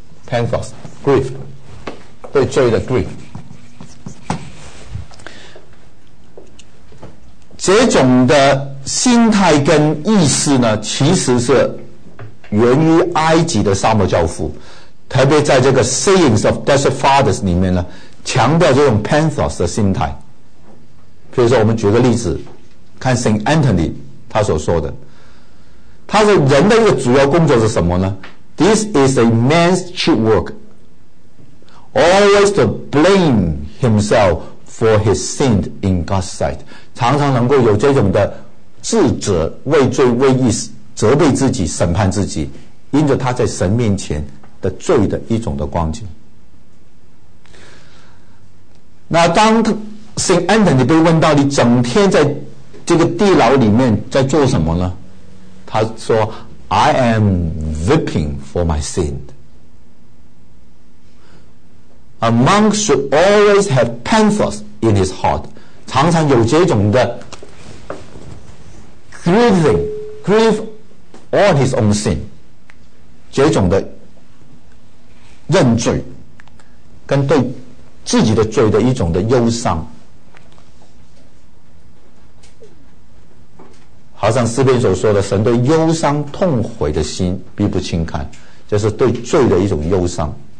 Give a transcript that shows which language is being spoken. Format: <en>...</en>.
<zh>Panthos, grief， 对罪的 grief， 这种的心态跟意识呢，其实是源于埃及的沙漠教父，特别在这个 Sayings of Desert Fathers 里面呢，强调这种 Panthos 的心态。比如说我们举个例子，看 St. Anthony 他所说的，他说人的一个主要工作是什么呢？</zh> <en>This is a man's chief work. Always to blame himself for his sin in God's sight.</en> <zh>常常能够有这种的自责，畏罪畏义，责备自己，审判自己，因着他在神面前的罪的一种的光景。那当 St. Anthony 被问到你整天在这个地牢里面在做什么呢？他说</zh> <en>I am weeping for my sin. A monk should always have panthos in his heart.</en> <zh>常常有这种的</zh> <en>grieving, grief on his own sin.</en> <zh>这种的认罪跟对自己的罪的一种的忧伤。好像诗篇所说的，神对忧伤痛悔的心必不轻看，就是对罪的一种忧伤。</zh>